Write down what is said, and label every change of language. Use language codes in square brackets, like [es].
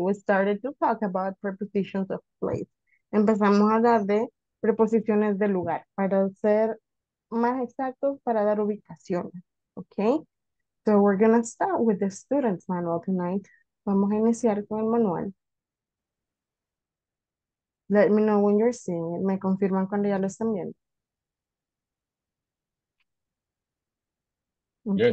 [en] We started to talk about prepositions of place. [es] Empezamos a hablar de preposiciones de lugar, para ser más exactos, para dar ubicaciones. [en] Ok. So, we're gonna start with the student's manual tonight. [es] Vamos a iniciar con el manual. [en] Let me know when you're seeing it. [es] Me confirman cuando ya lo están viendo. [en] Yes.